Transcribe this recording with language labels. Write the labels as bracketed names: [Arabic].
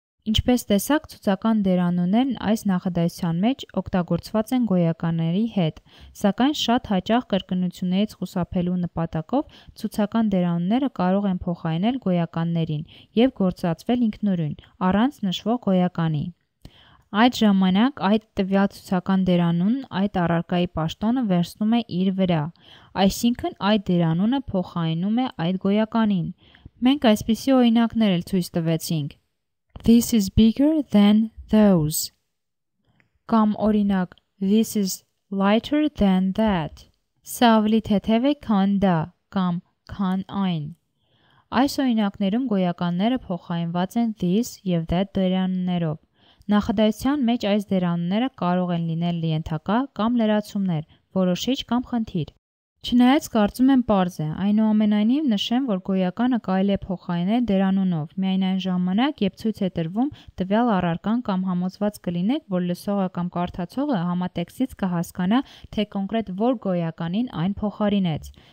[Armenian] Ինչպես տեսակ, ցուցական դերանուններն այս նախադասության մեջ օգտագործված են գոյականների հետ, սակայն շատ հաճախ կրկնություններից խուսափելու նպատակով ցուցական դերանունները կարող են փոխանցել գոյականներին և գործածվել ինքնուրույն, առանց նշվող գոյականի։ Այդ ժամանակ այդ տվյալ ցուցական դերանունն այդ առարկայի պաշտոնը վերցնում է իր վրա, այսինքն այդ դերանունը փոխանցում է այդ գոյականին։ Մենք այսպիսի օրինակներ էլ ցույց տվեցինք. [English] This is bigger than those. [Armenian] Կամ օրինակ, [English] this is lighter than that. [Armenian] Սա ավելի թեթև է, քան դա, կամ քան այն. Այս օրինակներում գոյականները փոխանցված են this և that դերանուններով. Նախադասության մեջ այս դերանունները կարող են լինել ենթակա կամ լրացումներ, որոշիչ կամ խնդիր։ Չնայած կարծում եմ պարզ է, այնուամենայնիվ նշեմ, որ գոյականը կարելի է փոխանցել դերանունով, միայն այն ժամանակ, երբ ցույց է տրվում տվյալ առարկան կամ համոզված կլինեք, որ լսողը կամ կարդացողը համատեքստից կհասկանա, թե կոնկրետ որ գոյականին այն փոխարինեց։